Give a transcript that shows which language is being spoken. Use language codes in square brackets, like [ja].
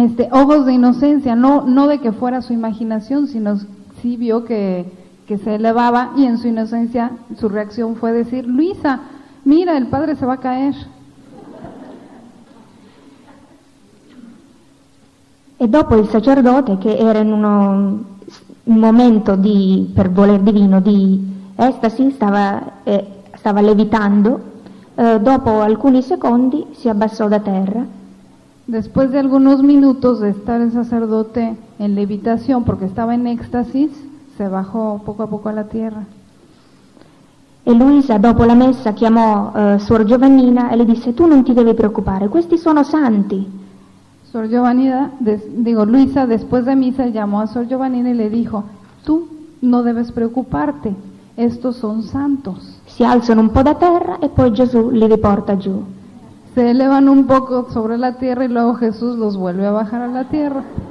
[es] Ojos de inocencia, no de que fuera su imaginación, sino sí vio que se elevaba y en su inocencia su reacción fue decir, Luisa, mira, el padre se va a caer. [it] E dopo il sacerdote, che era in uno momento di, per voler divino, di estasi, stava levitando, dopo alcuni secondi si abbassò da terra. [es] Después de algunos minutos de estar el sacerdote en levitación, porque estaba en éxtasis, se bajó poco a poco a la tierra. [it] E Luisa, dopo la messa, chiamò Suor Giovannina e le disse, tu non ti devi preoccupare, questi sono santi. [es] Suor Giovannina, Luisa, después de misa, llamó a Suor Giovannina y le dijo, tu no debes preocuparte, estos son santos. [it] Si alzano un po' da terra e poi Gesù li riporta giù. [es] Se elevan un poco sobre la tierra y luego Jesús los vuelve a bajar a la tierra.